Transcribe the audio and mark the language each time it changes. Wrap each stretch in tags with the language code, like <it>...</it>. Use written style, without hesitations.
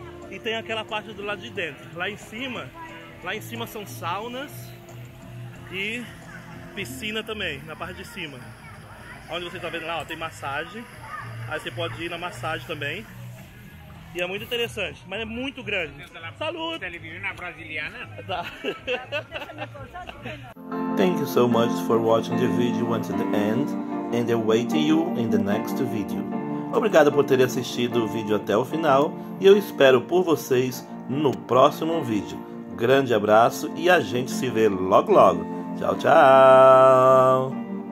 <pt>E tem aquela parte do lado de dentro. Lá em cima são saunas e piscina também, na parte de cima. Onde você tá vendo lá, ó, tem massagem. Aí você pode ir na massagem também. E é muito interessante, mas é muito grande.</pt> <it>Salute!</it> <pt>Televisão brasileira. Tá.</pt> <en>Thank you so much for watching the video until the end and awaiting you in the next video.</en> <pt>Obrigado por ter assistido o vídeo até o final e eu espero por vocês no próximo vídeo. Grande abraço e a gente se vê logo logo. Tchau, tchau.</pt>